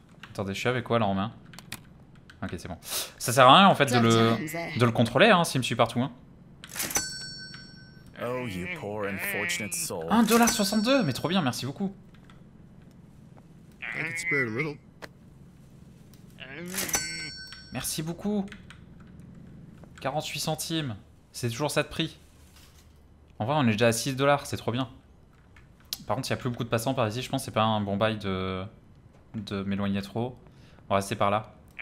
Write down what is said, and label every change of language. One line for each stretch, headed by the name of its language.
French: Attendez, je suis avec quoi, là, en main? Ok, c'est bon. Ça sert à rien, en fait, de le contrôler, hein, s'il me suit partout, hein.
English: Oh, you poor unfortunate soul.
French: 1,62$, mais trop bien, merci beaucoup.
English: I could spare a little.
French: Merci beaucoup. 48 centimes. C'est toujours ça de prix. En vrai, on est déjà à 6$, c'est trop bien. Par contre, il n'y a plus beaucoup de passants par ici, je pense que c'est pas un bon bail de m'éloigner trop. On va rester par là.